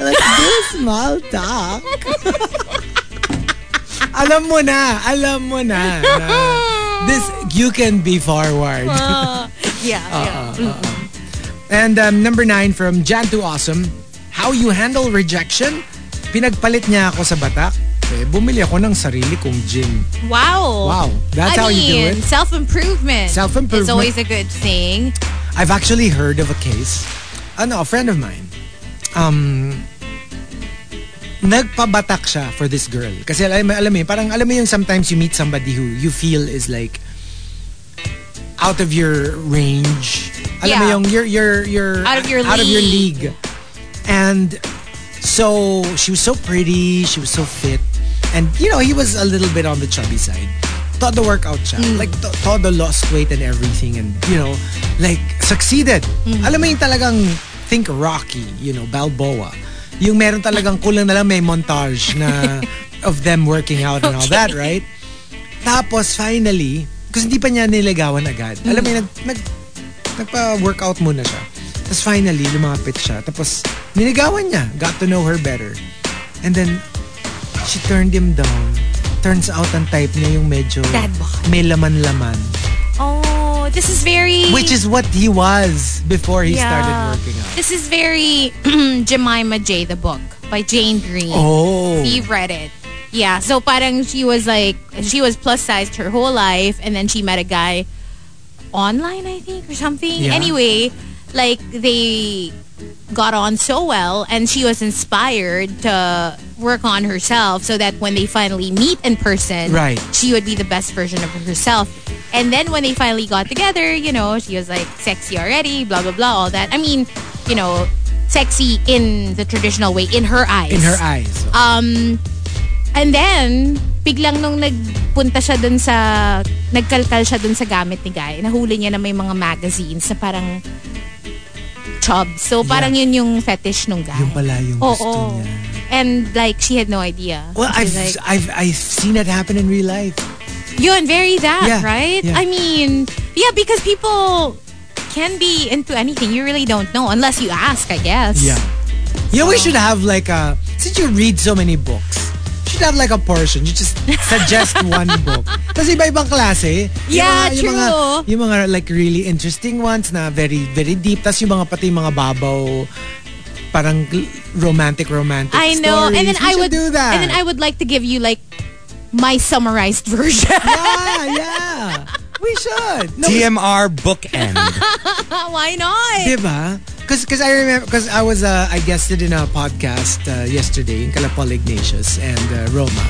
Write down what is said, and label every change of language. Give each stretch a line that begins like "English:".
English: Like, do small talk.
Filipino: Alam mo na.
English: This, you can be forward. And number 9 from Jan to Awesome. How you handle rejection?
Filipino: Pinagpalit niya ako sa batak. Eh, bumili ako ng sarili kong gym.
English: Wow. That's how you do it. Self-improvement. Is always a good thing. I've actually heard of a case.
Filipino: Ano,
English: a friend of mine.
Filipino: Nagpabatak siya
English: for this girl.
Filipino: Kasi alam mo yung
English: sometimes you meet somebody who you feel is like out of your range,
Filipino: alam mo yung
English: you're out of your league. And so she was so pretty, she was so fit, and you know, he was a little bit on the chubby side.
Filipino: Todo workout siya.
English: Like todo lost weight and everything, and you know, like succeeded.
Filipino: Alam mo yung talagang
English: think Rocky, you know,
Filipino: Balboa. Yung meron talagang kulang na lang may montage na
English: of them working out and all that, right?
Filipino: Tapos finally, kasi hindi pa niya niligawan agad. Alam mo yung nagpa-workout muna siya. Tapos finally, lumapit siya. Tapos niligawan niya.
English: Got to know her better. And then, she turned him down. Turns out
Filipino: ang type niya yung medyo may laman-laman.
English: Oh, this is very... Which is what he was before he started working out. This is very Jemima J, the book by Jane Green. Oh. He read it. Yeah, so parang she was plus-sized her whole life, and then she met a guy online, I think, or something. Yeah. Anyway, like, they got on so well, and she was inspired to work on herself so that when they finally meet in person, right, she would be the best version of herself. And then when they finally got together, you know, she was, like, sexy already, blah, blah, blah, all that. I mean, you know, sexy in the traditional way, in her eyes. In her eyes. And then,
Filipino: biglang nung nagpunta siya dun sa, nagkalkal siya dun sa gamit ni Guy, nahuli niya na may mga magazines na parang chubs. So parang yun yung fetish nung Guy. Yung pala yung gusto niya.
English: And like, she had no idea. Well, I've seen it happen in real life.
Filipino: Yun,
English: very that, yeah, right? Yeah. I mean, yeah, because people can be into anything. You really don't know unless you ask, I guess. Yeah. Yeah, so, we should have like a, since you read so many books, should have like a portion. You just suggest one book.
Filipino: Kasi iba-ibang klase.
English: Yeah, true.
Filipino: Yung mga
English: like really interesting ones na very, very deep.
Filipino: Tapos yung mga pati yung mga babaw, parang romantic
English: I know. Stories. And then we would do that. And then I would like to give you like my summarized version. Yeah. We should. No, TMR bookend. Why not?
Filipino: Diba?
English: Because I remember, because I was, I guested in a podcast yesterday in Kalapal Ignatius and Roma.